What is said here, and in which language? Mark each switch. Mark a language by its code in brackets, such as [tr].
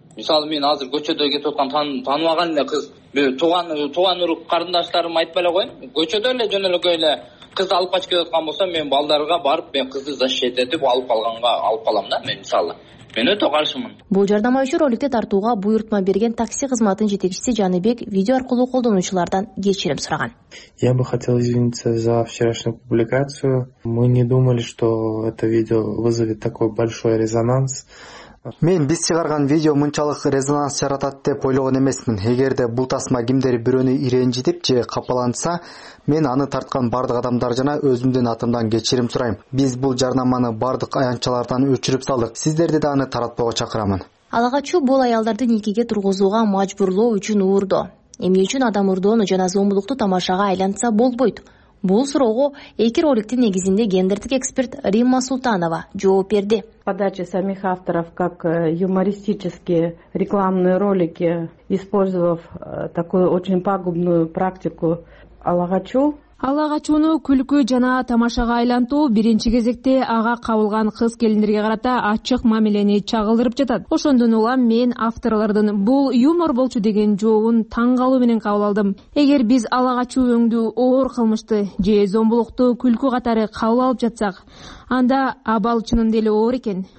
[ky] Мисалы мен азыр көчөдө кетип аткан таанымаган эле кыз, тууган урук карындаштарым айтпай эле коеюн, көчөдө эле жөнөкөй эле кызды алып качып кетип аткан болсо, мен балдарга барып мен кызды защита этип алып калганга алып калам да мен мисалы. Мен өтө каршымын. Бул жардама үчүн роликти тартууга буйрутма берген такси кызматынын жетекчиси Жаныбек видео аркылуу колдонуучулардан кечирим сураган. [ru] Я бы хотел извиниться за вчерашнюю публикацию. Мы не думали, что это видео вызовет такой большой резонанс. [ky] Мен биз чыгарган видео мынчалык резонанс жаратат деп ойлогон эмесмин. Эгерде бул тасма кимдер бирөөнү ирэнжитип же капалантса, мен аны тарткан бардык адамдар жана өзүмдүн атымдан кечирим сурайм. Биз бул жарнаманы бардык аянтчалардан өчүрүп салдык. Сиздерди да аны таратпоого чакырамын. Алагачуу бул аялдарды никеге тургузууга мажбурлоо үчүн уурдо. Эмне үчүн адам урдоону жана зомбулукту тамашага айлантса болбойт? Бул суроого эки роликтин негизинде гендердик эксперт Римма Султанова жооп берди. [ru] Подача самих авторов как юмористические рекламные ролики, использовав такую очень пагубную практику алагачуу. [ky] Алагачууну күлкү жана тамашага айлантуу биринчи кезекте ага кабылган кыз келиндерге карата ачык мамилени чагылдырып жатат. Ошондон улам мен авторлордун бул юмор болчу деген жообун таң калуу менен кабыл алдым. Эгер биз алагачуу өңдүү оор кылмышты же зомбулукту күлкү катары кабыл алып жатсак, анда абал чынында эле оор экен.